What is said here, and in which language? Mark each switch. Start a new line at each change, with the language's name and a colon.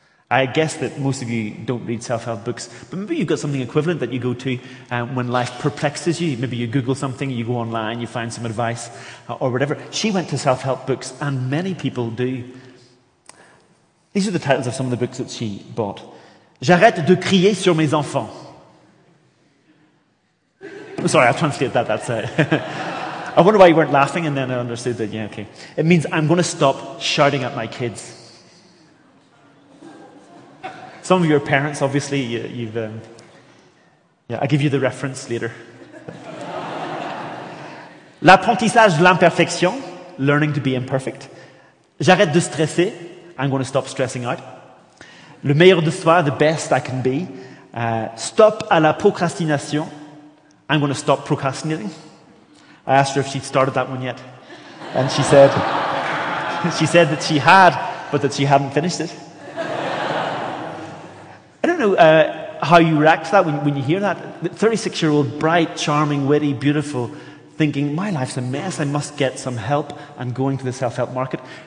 English: I guess that most of you don't read self-help books, but maybe you've got something equivalent that you go to when life perplexes you. Maybe you Google something, you go online, you find some advice, or whatever. She went to self-help books, and many people do. These are the titles of some of the books that she bought.
French: J'arrête de crier sur mes enfants.
English: I'm sorry, I'll translate that. That's I wonder why you weren't laughing, and then I understood that. Yeah, okay. It means I'm going to stop shouting at my kids. Some of your parents, obviously, you've. I'll give you the reference later.
French: L'apprentissage de l'imperfection.
English: learning to be imperfect.
French: J'arrête de stresser.
English: I'm going to stop stressing out.
French: Le meilleur de soi,
English: the best I can be.
French: Stop à la procrastination.
English: I'm going to stop procrastinating. I asked her if she'd started that one yet. And she said, she said that she had, but that she hadn't finished it. I don't know how you react to that when you hear that. 36-year-old, bright, charming, witty, beautiful, thinking, my life's a mess, I must get some help, and going to the self-help market.